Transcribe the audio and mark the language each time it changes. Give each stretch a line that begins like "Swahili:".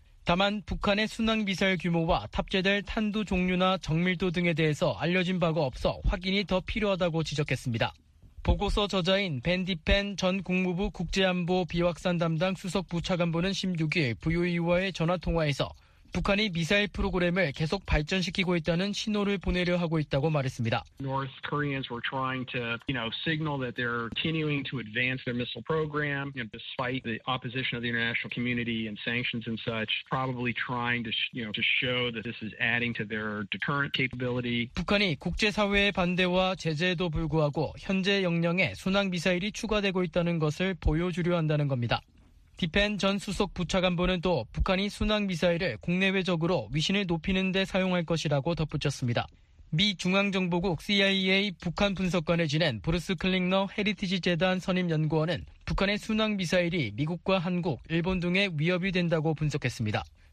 Korean: 다만 북한의 순항미사일 규모와 탑재될 탄두 종류나 정밀도 등에 대해서 알려진 바가 없어 확인이 더 필요하다고 지적했습니다. 보고서 저자인 벤 디펜 전 국무부 국제안보 비확산 담당 수석 부차관보는 16일 VOE와의 전화통화에서 북한이 미사일 프로그램을 계속 발전시키고 있다는 신호를 보내려 하고 있다고 말했습니다.
English: North Koreans were trying to, you know, signal that they're continuing to advance their missile program, you know, despite the opposition of the international community and sanctions and such, probably trying to, you know, to show that this is adding to their deterrent capability.
Korean: 북한이 국제사회의 반대와 제재에도 불구하고 현재 역량에 순항 미사일이 추가되고 있다는 것을 보여주려 한다는 겁니다. 디펜 전 수석 부차관보는 또 북한이 순항미사일을 국내외적으로 위신을 높이는 데 사용할 것이라고 덧붙였습니다. 미 중앙정보국 CIA 북한 분석관을 지낸 브루스 클링너 헤리티지 재단 선임연구원은 북한의 순항미사일이 미국과 한국, 일본 등의 위협이 된다고 분석했습니다.